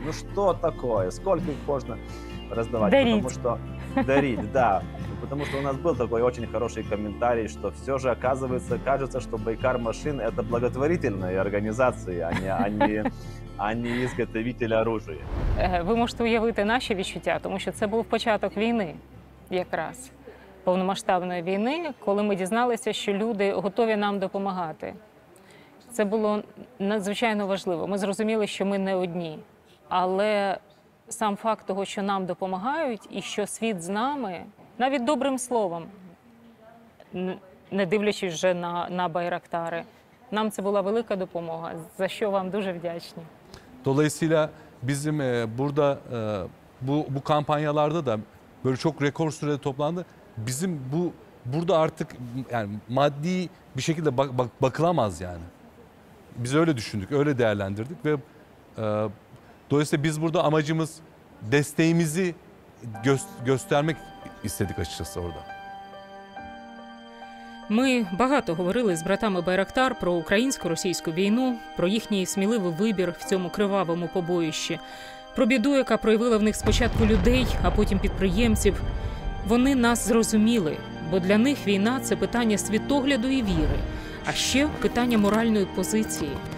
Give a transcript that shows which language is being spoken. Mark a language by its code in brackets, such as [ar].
[ru] Ну что такое? Сколько их можно раздавать? Дарить. Потому что дарить, да. Потому что у нас был такой очень хороший комментарий, что все же оказывается, кажется, что Байкар Машин – это благотворительные организации, а не изготовитель оружия. [uk] Ви можете уявити наші відчуття, тому що це був початок війни якраз, повномасштабної війни, коли ми дізналися, що люди готові нам допомагати. Це було надзвичайно важливо. Ми зрозуміли, що ми не одні. Але сам факт того, що нам допомагають і що світ з нами, навіть добрим словом, не дивлячись вже на Байрактари, нам це була велика допомога, за що вам дуже вдячні. [tr] Dolayısıyla bizim burada bu kampanyalarda da böyle çok rekor sürede toplandı. Bizim bu burada artık yani maddi bir şekilde bakılamaz yani. Biz öyle düşündük, öyle değerlendirdik ve dolayısıyla biz burada amacımız desteğimizi göstermek istedik açıkçası orada. [uk] Ми багато говорили з братами Байрактар про українсько-російську війну, про їхній сміливий вибір в цьому кривавому побоїщі, про біду, яка проявила в них спочатку людей, а потім підприємців. Вони нас зрозуміли, бо для них війна – це питання світогляду і віри, а ще питання моральної позиції.